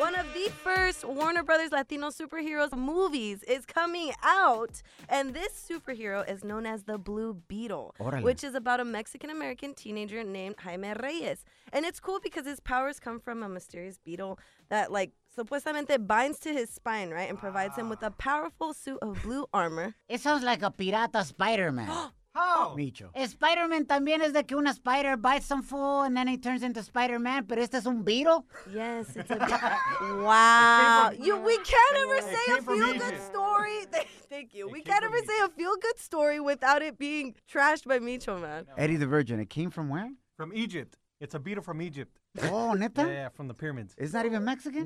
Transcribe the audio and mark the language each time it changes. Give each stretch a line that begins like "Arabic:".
English: One of the first Warner Brothers Latino superheroes movies is coming out, and this superhero is known as the Blue Beetle,
Spanish: Orale.
English: Which is about a Mexican-American teenager named Jaime Reyes. And it's cool because his powers come from a mysterious beetle that, like, supuestamente binds to his spine, right, and provides him with a powerful suit of blue armor. It sounds like a pirata Spider-Man. Oh. Micho.
Spanish: Spider-Man también es de que una
English: spider bites some fool and then he turns into Spider-Man,
Spanish: pero este es un beetle?
English: Yes, it's a wow. We can't ever say a feel-good story. Thank you. We can't ever say a feel-good story without it being trashed by Micho, man. Eddie the Virgin, it came from where? From Egypt. It's a beetle from Egypt.
Spanish: Oh, neta?
English: Yeah, from the pyramids. Is that even Mexican?